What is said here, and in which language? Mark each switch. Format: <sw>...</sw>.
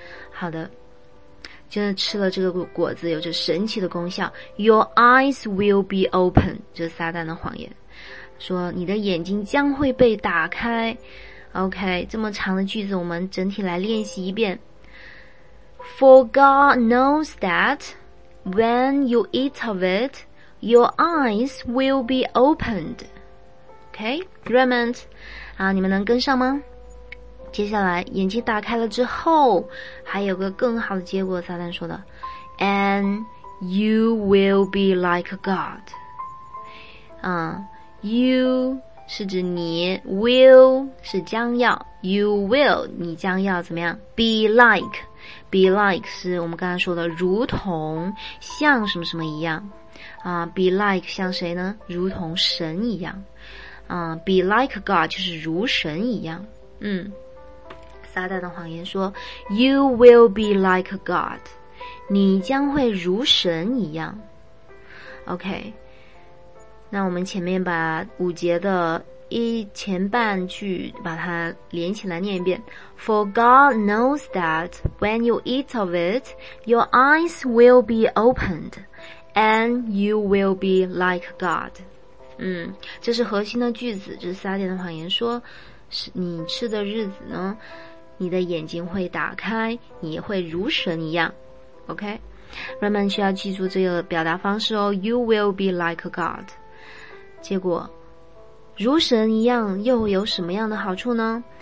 <zh>好的，真的吃了这个果子有着神奇的功效，</zh> <en>Your eyes will be open，</en> <zh>就是撒旦的谎言，说你的眼睛将会被打开。 OK， 这么长的句子我们整体来练习一遍。</zh> <en>For God knows that when you eat of it your eyes will be opened。</en> <zh>OK， Raymond， 你们能跟上吗？接下来眼睛打开了之后还有个更好的结果，撒旦说的，</zh> <en>And you will be like God。</en> <zh>You 是指你， Will 是将要，</zh> <en>You will</en> <zh>你将要怎么样，</zh> <en>Be like，</en> <zh>Be like 是我们刚才说的如同，像什么什么一样，Be like 像谁呢？如同神一样，</zh> <en>Be like God</en> <zh>就是如神一样。撒旦的谎言说</zh> <en>You will be like God，</en> <zh>你将会如神一样。 OK， 那我们前面把五节的一前半句把它连起来念一遍。</zh> <en>For God knows that when you eat of it your eyes will be opened and you will be like God。</en> <zh>这是核心的句子，这是撒旦的谎言说，你吃的日子呢你的眼睛会打开，你也会如神一样。 OK， 人们需要记住这个表达方式哦，</zh> <en>You will be like God。</en> <zh>结果如神一样又有什么样的好处呢？</zh>